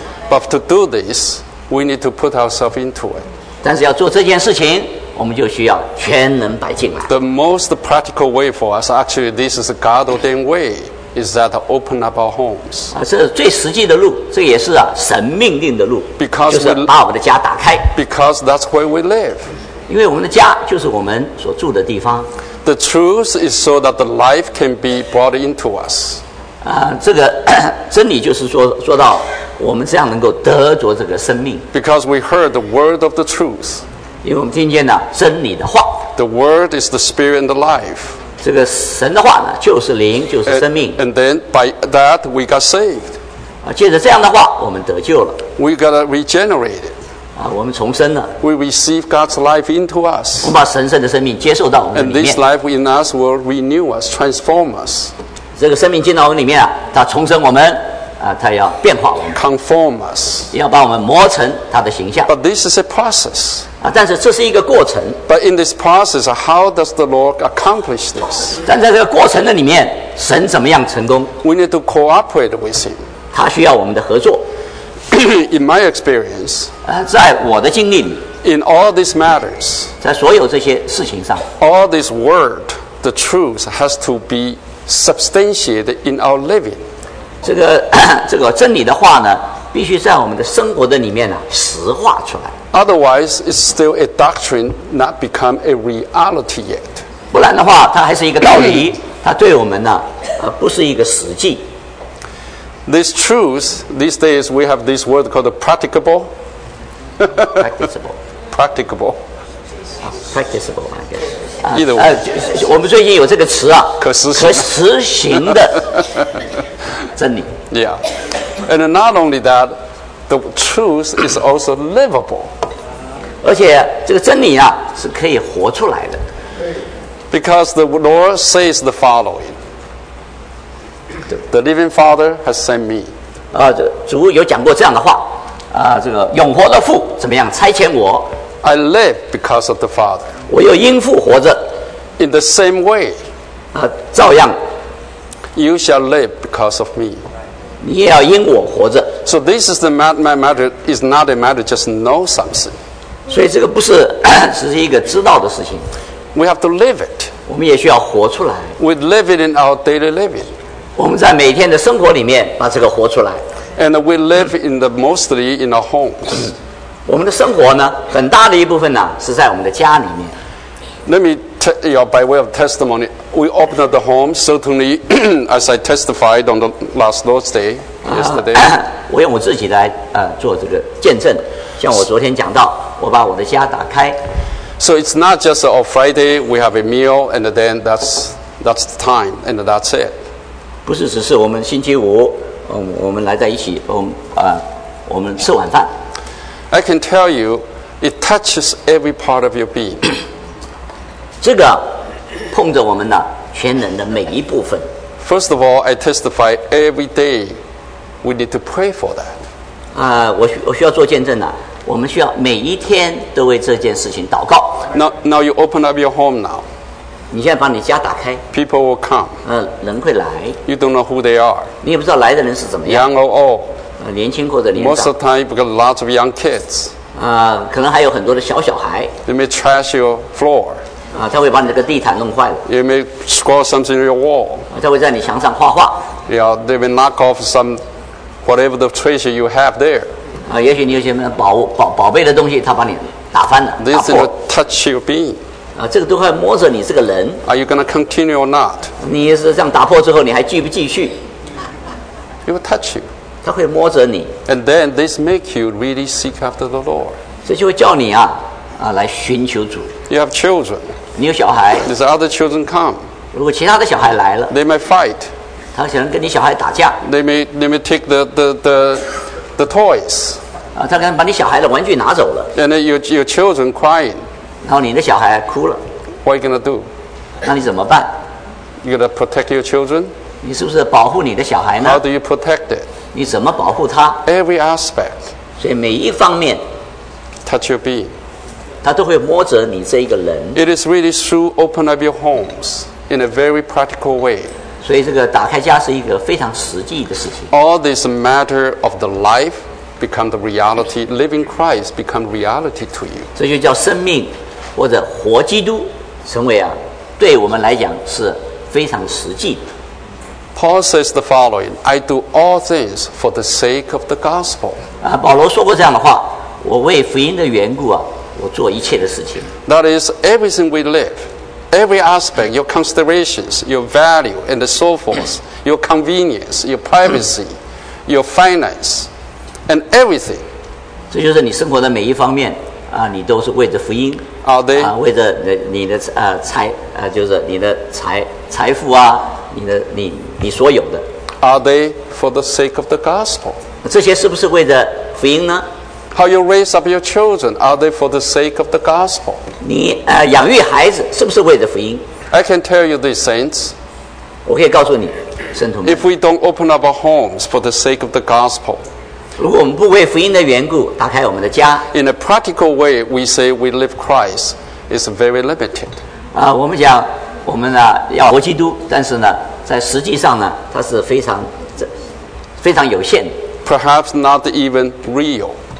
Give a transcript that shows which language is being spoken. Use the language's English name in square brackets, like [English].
[English] But to do this, we need to put ourselves into it. [Chinese] 但是要做这件事情，我们就需要全能摆进来。 [English] The most practical way for us, actually, this is a God-ordained way, is that to open up our homes. [Chinese] 这是最实际的路，这也是神命令的路。 [English] Because [Chinese] 就是把我们的家打开。 [English] Because that's where we live. [Chinese] 因为我们的家就是我们所住的地方。 [English] The truth is so that the life can be brought into us. [Chinese] 这个真理就是说到我们这样能够得着这个生命。 [English] Because we heard the word of the truth. [Chinese] 因为我们听见了真理的话。 [English] The word is the spirit and the life. [Chinese] 这个神的话呢，就是灵，就是生命。 [English] And then by that we got saved. [Chinese] 啊，借着这样的话，我们得救了。 [English] We got regenerated. [Chinese] 啊，我们重生了。 [English] We receive God's life into us. [Chinese] 我们把神圣的生命接受到我们里面。 [English] And this life in us will renew us, transform us. [Chinese] 这个生命进到我们里面啊，它重生我们啊，它要变化我们 [English] ，conform us， [Chinese] 要把我们磨成它的形象。 [English] But this is a process [Chinese] 啊，但是这是一个过程。 [English] But in this process, how does the Lord accomplish this？ [Chinese] 但在这个过程的里面，神怎么样成功 [English] ？We need to cooperate with Him。 [Chinese] 他需要我们的合作。 [English] In my experience， [Chinese] 在我的经历里 [English] ，In all these matters， [Chinese] 在所有这些事情上 [English] ，All this word, the truth has to beSubstantiated in our living. [Chinese] 这个真理的话呢，必须在我们的生活的里面呢，实化出来。 [English] Otherwise, it's still a doctrine, not become a reality yet. [Chinese] 不然的话，它还是一个道理，它对我们呢，不是一个实际。 [English] This truth, these days we have this word called practicable. Practicable. Practicable. Practicable, I guess. [Chinese] 我们最近有这个词啊，可实行的真理。 [English] Yeah, and not only that, the truth is also livable. [Chinese] 而且这个真理啊是可以活出来的。 [English] Because the Lord says the following: The living Father has sent me. [Chinese] 主有讲过这样的话啊，这个永活的父怎么样差遣我 [English] ？I live because of the Father. [Chinese] 我又因父活着。 [English] In the same way, [Chinese] 照样 [English] you shall live because of me. [Chinese] 你也要因我活着。 [English] So this is the matter is not a matter just know something. [Chinese] 所以这个不是只是一个知道的事情。 [English] We have to live it. [Chinese] 我们也需要活出来。 [English] We live it in our daily living. [Chinese] 我们在每天的生活里面把这个活出来。 [English] And we live in the mostly in our homes. [Chinese] 我们的生活呢，很大的一部分呢，是在我们的家里面。 [English] Let me tell you, by way of testimony, we opened the home, certainly, as I testified on the last Lord's Day, yesterday. [Chinese] 我用我自己来做这个见证，像我昨天讲到，我把我的家打开。 [English] So it's not just on Friday, we have a meal, and then that's the time, and that's it. [Chinese] 不是只是我们星期五，我们来在一起，我们吃晚饭。 [English] I can tell you, it touches every part of your being. [Chinese] 这个碰着我们的全人的每一部分。 [English] First of all, I testify every day we need to pray for that. [Chinese] 我需要做见证的，我们需要每一天都为这件事情祷告。 [English] Now you open up your home now. [Chinese] 你现在把你家打开。 [English] People will come. [Chinese] 人会来。 [English] You don't know who they are. [Chinese] 你也不知道来的人是怎么样。 [English] Young or old. [Chinese] 年轻或者年 [English] 长。Most of the time, you've got lots of young kids. [Chinese] 可能还有很多的小小孩。 [English] They may trash your floor. [Chinese] 他会把你这个地毯弄坏了。 [English] You may score something on your wall. [Chinese] 他会在你墙上画画。 [English] Yeah, they may knock off some whatever the treasure you have there. [Chinese] 也许你有些什么宝贝的东西，他把你打翻了。 [English] This will touch your being. [Chinese] 这个都会摸着你这个人。 [English] Are you going to continue or not? [Chinese] 你是这样打破之后，你还继不继续 [English] ？It will touch you. [Chinese] 他会摸着你。 [English] And then this make you really seek after the Lord. [Chinese] 这就会叫你来寻求主。 [English] You have children. [Chinese] 你有小孩。 [English] There's other children come. [Chinese] 如果其他的小孩来了。 [English] They may fight. [Chinese] 他可能跟你小孩打架。 [English] They may take the toys. [Chinese] 他可能把你小孩的玩具拿走了。 [English] And then your children crying. [Chinese] 然后你的小孩哭了。 [English] What are you gonna do? [Chinese] 那你怎么办 [English] ？You gotta protect your children. [Chinese] 你是不是保护你的小孩呢 [English] ？How do you protect it? [Chinese] 你怎么保护他 [English] ？Every aspect. [Chinese] 所以每一方面。 [English] Touch your being. [Chinese] 他都会摸着你这一个人。 [English] It is really through open up your homes in a very practical way. [Chinese] 所以这个打开家是一个非常实际的事情。 [English] All this matter of the life become the reality. Living Christ become reality to you. [Chinese] 这就叫生命或者活基督成为对我们来讲是非常实际的。 [English] Paul says the following: I do all things for the sake of the gospel. [Chinese] 保罗说过这样的话：我为福音的缘故我做一切的事情。 [English] That is everything we live, every aspect, your considerations, your value, and so forth, your convenience, your privacy, your finance. and everything. [Chinese] 这就是你生活的每一方面啊，你都是为着福音啊，对啊，为着你的财啊，就是你的财富啊，你所有的。 [English] Are they for the sake of the gospel? [Chinese] 这些是不是为着福音呢？ [English] How you raise up your children? Are they for the sake of the gospel? [Chinese] 你养育孩子是不是为着福音 [English] ？I can tell you these saints. [Chinese] 我可以告诉你，圣徒们。 [English] If we don't open up our homes for the sake of the gospel, [Chinese] 如果我们不为福音的缘故打开我们的家 [English] ，In a practical way, we say we live Christ is very limited. [Chinese] 我们讲我们呢要活基督，但是呢，在实际上呢，它是非常有限。 [English] Perhaps not even real.